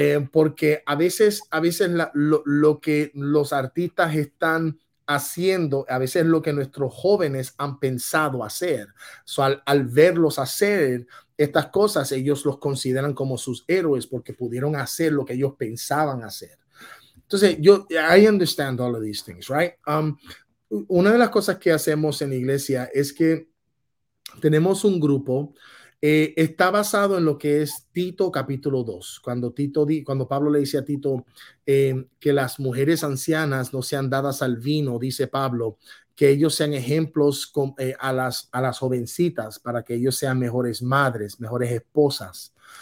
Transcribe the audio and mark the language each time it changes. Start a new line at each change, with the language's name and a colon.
Spanish: Porque a veces lo que los artistas están haciendo, a veces lo que nuestros jóvenes han pensado hacer.
English: So,
Spanish: al verlos hacer estas cosas, ellos los consideran como sus héroes porque pudieron hacer lo que ellos pensaban hacer. Entonces,
English: I understand all of these things, right?
Spanish: Una de las cosas que hacemos en iglesia es que tenemos un grupo, está basado en lo que es Tito capítulo 2. Cuando Pablo le dice a Tito que las mujeres ancianas no sean dadas al vino, dice Pablo, que ellos sean ejemplos a las jovencitas para que ellos sean mejores madres, mejores esposas.